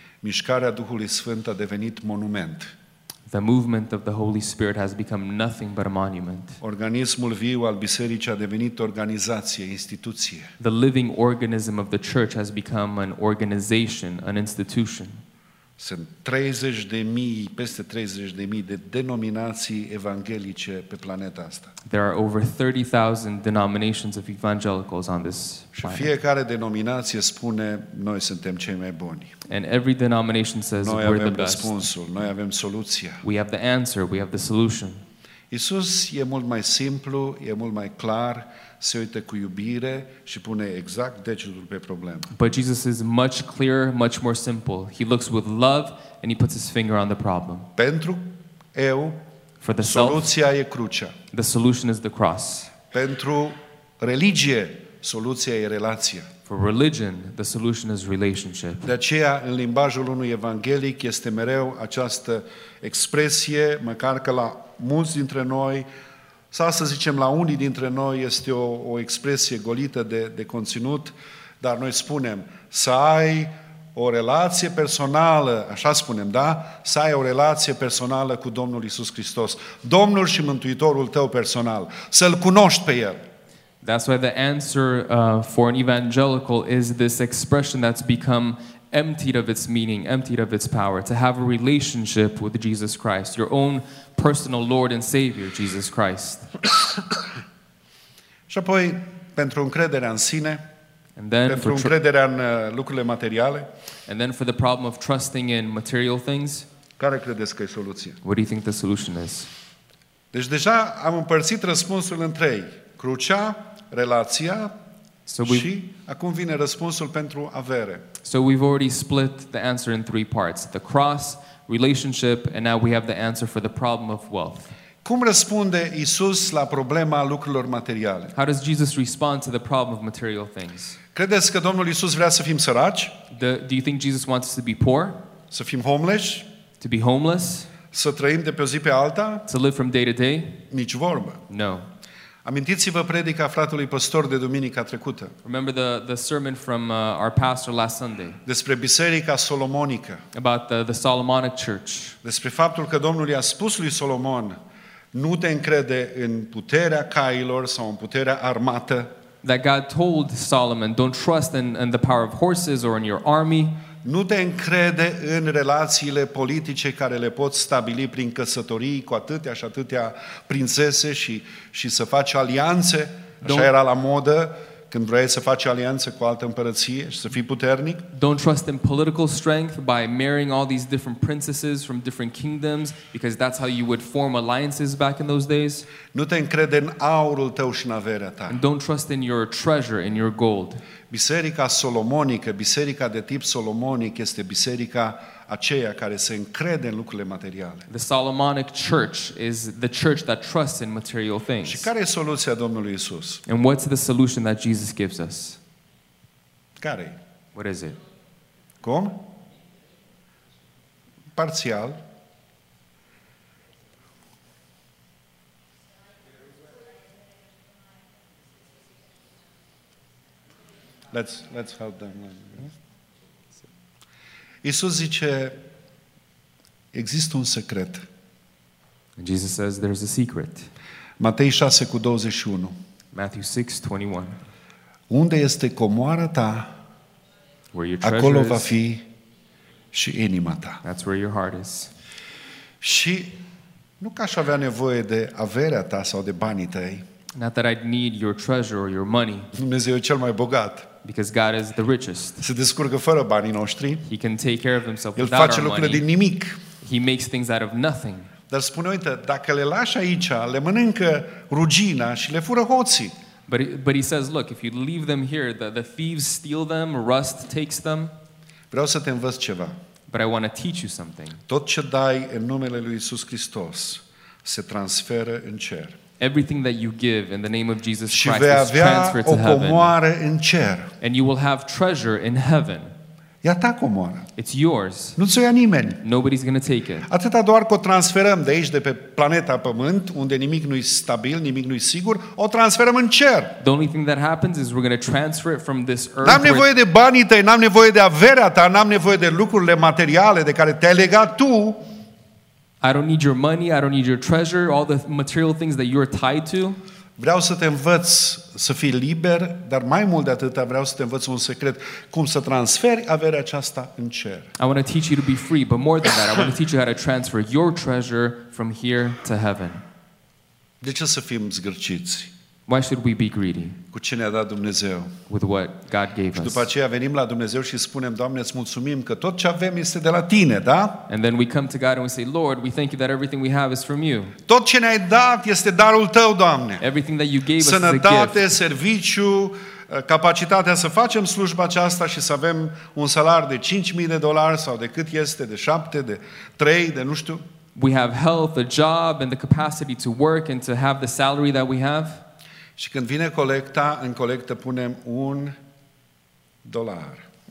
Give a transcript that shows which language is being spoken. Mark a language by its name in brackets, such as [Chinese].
[Romanian] Mișcarea Duhului Sfânt a devenit monument. [English] The movement of the Holy Spirit has become nothing but a monument. [Romanian] Organismul viu al bisericii a devenit organizație, instituție. [English] The living organism of the church has become an organization, an institution. [Romanian] Sunt 30,000, peste 30,000 de denominații evanghelice pe planeta asta. [English] There are over 30,000 denominations of evangelicals on this planet. [Romanian] Și fiecare denominație spune noi suntem cei mai buni. [English] And every denomination says [Romanian] noi [English] we're the best. [Romanian] Noi avem răspunsul, noi avem soluția. [English] We have the answer, we have the solution. [Romanian] Iisus e mult mai simplu, e mult mai clar. Se uită cu iubire și pune exact degetul pe problemă. [English] But Jesus is much clearer, much more simple. He looks with love and he puts his finger on the problem. [Romanian] Pentru eu, [English] for the [Romanian] soluția [English] self, [Romanian] e crucea. [English] The solution is the cross. [Romanian] Pentru religie, soluția e relația. [English] For religion, the solution is relationship. [Romanian] De aceea, în limbajul unui evanghelic este mereu această expresie, măcar că la mulți dintre noi sau să zicem la unii dintre noi este o expresie golită de conținut, dar noi spunem să ai o relație personală, așa spunem, da? Să ai o relație personală cu Domnul Iisus Hristos, Domnul și Mântuitorul tău personal, să-L cunoști pe El. [English] That's why the answer for an evangelical is this expression that's become emptied of its meaning, emptied of its power, to have a relationship with Jesus Christ, your own personal Lord and Savior, Jesus Christ. [Romanian] Și apoi, pentru încrederea în sine, [English] and then [Romanian] pentru încrederea în lucrurile materiale, [English] and then for the problem of trusting in material things, [Romanian] care credeți că e soluția? [English] What do you think the solution is? [Romanian] Deci deja am împărțit răspunsul în trei. Crucea, relația, și acum vine răspunsul pentru avere. [English] So we've already split the answer in three parts. The cross, relationship, and now we have the answer for the problem of wealth. [Romanian] Cum răspunde Iisus la problema lucrurilor materiale? [English] How does Jesus respond to the problem of material things? [Romanian] Credeți că Domnul Iisus vrea să fim săraci? [English] Do you think Jesus wants us to be poor? [Romanian] Să fim homeless? [English] To be homeless? [Romanian] Să trăim de pe o zi pe alta? [English] To live from day to day? [Romanian] Nici vorbă. [English] No. [Romanian] Amintiți-vă predica fratelui pastor de duminica trecută. [English] Remember the sermon from our pastor last Sunday. [Romanian] Despre biserica solomonică. [English] About the Solomonic church. [Romanian] Despre faptul că Domnul i-a spus lui Solomon, nu te încrede în puterea cailor sau în puterea armată. [English] That God told Solomon, don't trust in the power of horses or in your army. [Romanian] Nu te încrede în relațiile politice care le poți stabili prin căsătorii cu atâtea și atâtea prințese și să faci alianțe. Așa era la modă când vrei să faci alianțe cu altă împărăție și să fii puternic. [English] Don't trust in political strength by marrying all these different princesses from different kingdoms because that's how you would form alliances back in those days. [Romanian] Nu te încrede în aurul tău și în averea ta. [English] And don't trust in your treasure, in your gold. [Romanian] Biserica solomonică, biserica de tip solomonic este biserica aceea care se încrede în lucrurile materiale. [English] The Solomonic church is the church that trusts in material things. [Romanian] Și care e soluția Domnului Iisus? [English] And what's the solution that Jesus gives us? [Romanian] Care? [English] What is it? [Romanian] Cum? Parțial. [English] Let's help them. [Romanian] Iisus zice există un secret. [English] Jesus says there's a secret. [Romanian] Matei 6:21. [English] Matthew 6:21. [Romanian] Unde este comoara ta? [English] Where your treasure [Romanian] acolo [English] is, [Romanian] va fi și inima ta. [English] That's where your heart is. [Romanian] Și nu că aș avea nevoie de averea ta sau de banii tăi. [English] Not that I'd need your treasure or your money. [Romanian] Dumnezeu e cel mai bogat. [English] Because God is the richest. [Romanian] Se descurcă fără banii noștri. [English] He can take care of himself without our money. [Romanian] El face lucrurile din nimic. [English] He makes things out of nothing. [Romanian] Dar spune, uite, dacă le lași aici, le mănâncă rugina și le fură hoții. [English] But he says, look, if you leave them here, the thieves steal them, rust takes them. [Romanian] Vreau să te învăț ceva. [English] But I want to teach you something. [Romanian] Tot ce dai în numele lui Iisus Hristos se transferă în cer. [English] Everything that you give in the name of Jesus [Romanian] și [English] Christ is transferred to heaven. [Romanian] O comoară în cer. [English] And you will have treasure in heaven. [Romanian] E a ta comoară. [English] It's yours. [Romanian] Nu ți-o ia nimeni. [English] Nobody's going to take it. [Romanian] Atâta doar că o transferăm de aici, de pe planeta Pământ, unde nimic nu-i stabil, nimic nu-i sigur, o transferăm în cer. [English] The only thing that happens is we're going to transfer it from this earth. [Romanian] N-am nevoie de banii tăi, n-am nevoie de averea ta, n-am nevoie de lucrurile materiale de care te-ai legat tu. [English] I don't need your money, I don't need your treasure, all the material things that you're tied to. [Romanian] Vreau să te învăț să fii liber, dar mai mult de atât, vreau să te învăț un secret, cum să transferi averea aceasta în cer. [English] I want to teach you to be free, but more than that, I want to teach you how to transfer your treasure from here to heaven. [Romanian] De ce să fim zgârciți? [English] Why should we be greedy? [Romanian] Cu ce ne-a dat Dumnezeu? [English] With what God gave us. [Romanian] Și după aceea venim la Dumnezeu și spunem, Doamne, îți mulțumim că tot ce avem este de la tine, da? [English] And then we come to God and we say, Lord, we thank you that everything we have is from you. [Romanian] Tot ce ne-ai dat este darul tău, Doamne. [English] Everything that you gave us is a gift. [Romanian] Sănătate, serviciu, capacitatea să facem slujba aceasta și să avem un salar de 5.000 de dolari sau de cât este, de 7, de 3, de nu știu. [English] We have health, a job and the capacity to work and to have the salary that we have. [Romanian] Și când vine colecta, în colectă punem un dolar.